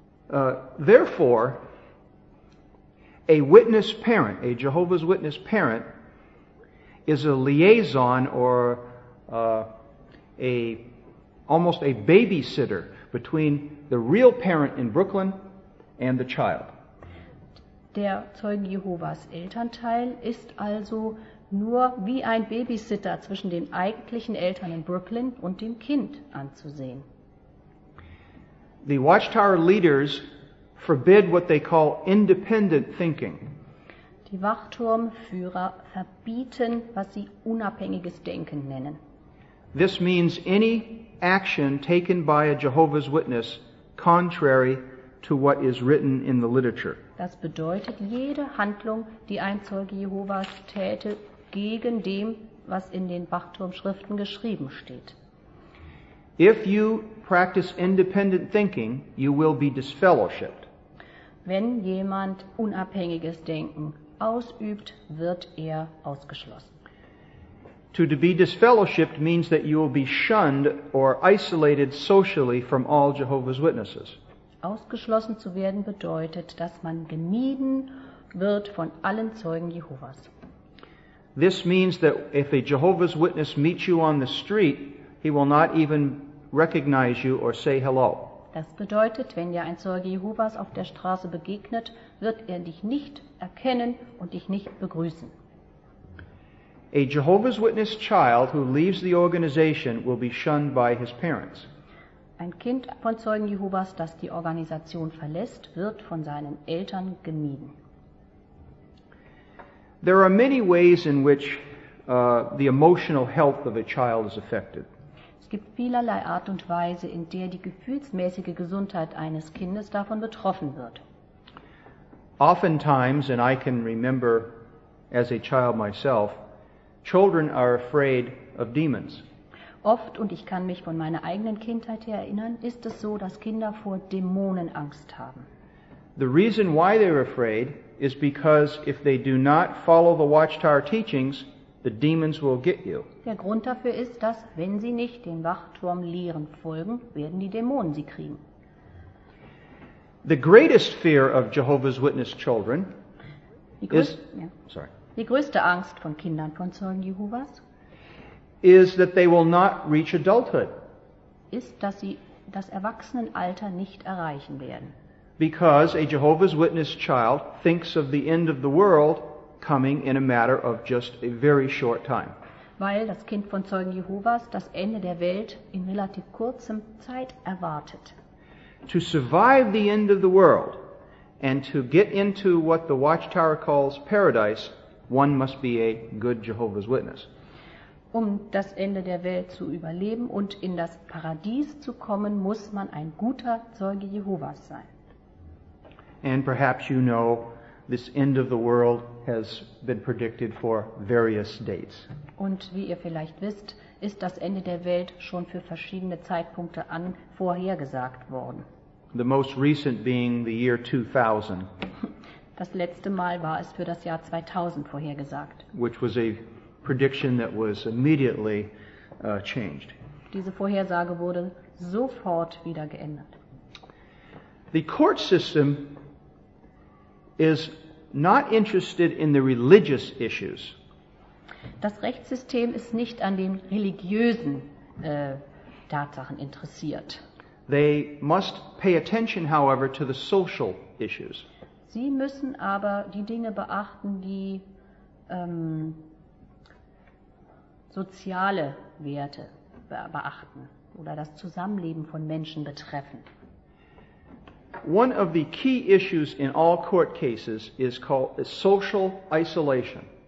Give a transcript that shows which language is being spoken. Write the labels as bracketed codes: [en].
[en] Therefore, a witness parent, a Jehovah's Witness parent, is a liaison or almost a babysitter between the real parent in Brooklyn and the child. [de] Der Zeugen Jehovas Elternteil ist also nur wie ein Babysitter zwischen den eigentlichen Eltern in Brooklyn und dem Kind anzusehen. [en] The Watchtower leaders forbid what they call independent thinking. [de] Die Wachturmführer verbieten, was sie unabhängiges Denken nennen. [en] This means any action taken by a Jehovah's Witness contrary to what is written in the literature. [de] Das bedeutet jede Handlung, die ein Zeuge Jehovas täte, gegen dem, was in den Wachturmschriften geschrieben steht. [en] If you practice independent thinking, you will be disfellowshipped. [de] Wenn jemand unabhängiges Denken ausübt, wird er ausgeschlossen. [en] To be disfellowshipped means that you will be shunned or isolated socially from all Jehovah's Witnesses. [de] Ausgeschlossen zu werden bedeutet, dass man gemieden wird von allen Zeugen Jehovas. [en] This means that if a Jehovah's Witness meets you on the street, he will not even recognize you or say hello. [de] Das bedeutet, wenn dir ein Zeuge Jehovas auf der Straße begegnet, wird er dich nicht erkennen und dich nicht begrüßen. [en] A Jehovah's Witness child who leaves the organization will be shunned by his parents. [de] Ein Kind von Zeugen Jehovas, das die Organisation verlässt, wird von seinen Eltern gemieden. [en] There are many ways in which the emotional health of a child is affected. [de] Es gibt vielerlei Art und Weise, in der die gefühlsmäßige Gesundheit eines Kindes davon betroffen wird. [en] Oftentimes, and I can remember as a child myself, children are afraid of demons. [de] Oft, und ich kann mich von meiner eigenen Kindheit her erinnern, ist es so, dass Kinder vor Dämonen Angst haben. [en] The reason why they're afraid is because if they do not follow the Watchtower teachings, the demons will get you. [de] Der Grund dafür ist, dass wenn sie nicht den Wachturmlehren folgen, werden die Dämonen sie kriegen. [en] The greatest fear of Jehovah's Witness children is, [de] Die größte Angst von Kindern von Zeugen Jehovas [en] is that they will not reach adulthood. [de] Ist, dass sie das Erwachsenenalter nicht erreichen werden. [en] Because a Jehovah's Witness child thinks of the end of the world coming in a matter of just a very short time. [de] Weil das Kind von Zeugen Jehovas das Ende der Welt in relativ kurzem Zeit erwartet. [en] To survive the end of the world and to get into what the Watchtower calls paradise, one must be a good Jehovah's Witness. [de] Um das Ende der Welt zu überleben und in das Paradies zu kommen, muss man ein guter Zeuge Jehovas sein. [en] And perhaps you know this end of the world has been predicted for various dates. [de] Und wie ihr vielleicht wisst, ist das Ende der Welt schon für verschiedene Zeitpunkte vorhergesagt worden. [en] The most recent being the year 2000. [de] Das letzte Mal war es für das Jahr 2000 vorhergesagt. [en] Which was a prediction that was immediately changed. [de] Diese Vorhersage wurde sofort wieder geändert. [en] The court system is not interested in the religious issues. [de] Das Rechtssystem ist nicht an den religiösen Tatsachen interessiert. [en] They must pay attention, however, to the social issues. [de] Sie müssen aber die Dinge beachten, die soziale Werte beachten oder das Zusammenleben von Menschen betreffen. [en] One of the key issues in all court cases is called social isolation.